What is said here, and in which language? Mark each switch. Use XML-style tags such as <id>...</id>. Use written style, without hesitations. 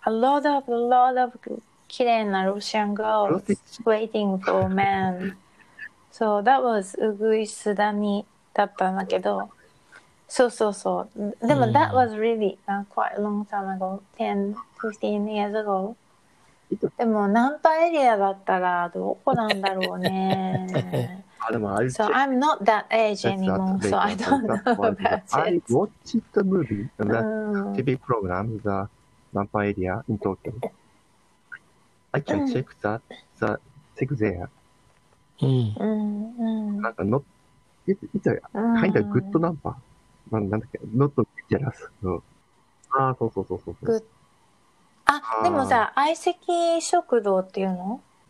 <en>a lot of</en> <ja>綺麗な</ja> <en>Russian girls waiting for men. So that was Uguis Dani</en> <ja>だったんだけど、そうそうそう。でも、</ja> <en>mm-hmm. that was really quite long time ago, 10, 15 years ago.</en> <ja>でもナンパエリアだったらどこなんだろうね。</ja> <en>So I'm not that age anymore, so I don't know about it. I watched the movie, the TV program, the Nampa area in Tokyo. I can check that, the check there. Mm. Like not, it's a kind of good Nampa. Not dangerous. Ah, so, so, so, so. Good.</en> <ja>Ah, でもさ、愛席食堂っていうの？</ja>